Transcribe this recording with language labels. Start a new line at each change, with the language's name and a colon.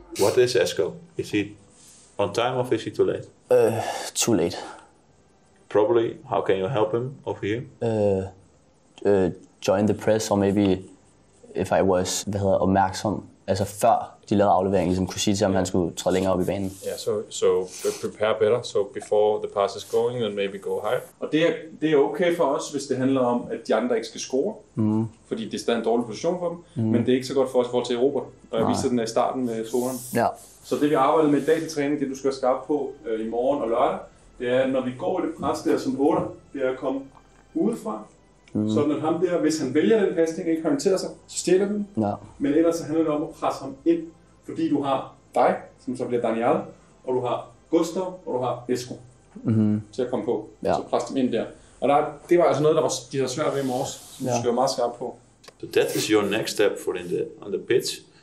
English: What is Esco? Is he on time or is he too late? Too late. Probably. How can you help him over here? Join the press or maybe... If I was,
Danish: opmærksom, altså før de lavede afleveringen, ligesom kunne sige til ham, yeah. Han skulle træde længere op i banen.
English: Ja, so prepare better, so before the pass is going, then maybe go high.
Danish: Og det er okay for os, hvis det handler om, at de andre ikke skal score, mm. fordi det er stadig en dårlig position for dem, mm. men det er ikke så godt for os i forhold til Europa, og jeg viser den i starten med scoren. Ja. Så det vi arbejder med i dag til træning, det du skal være skarp på i morgen og lørdag, det er, når vi går i det pres der som 8'er, det er at komme udefra. Mm. Sådan at ham der, hvis han vælger den pasning og ikke orienterer sig, så stjæler den. Ja. Men ellers så handler det om at presse ham ind, fordi du har dig, som så bliver Daniel, og du har Gustav, og du har Esko mm-hmm. til at komme på. Ja. Så presse dem ind der. Og der, det var altså noget, der var, de havde svært ved i morges, som du skal være meget skarp på.
English: So that is your next step for in the, on the pitch.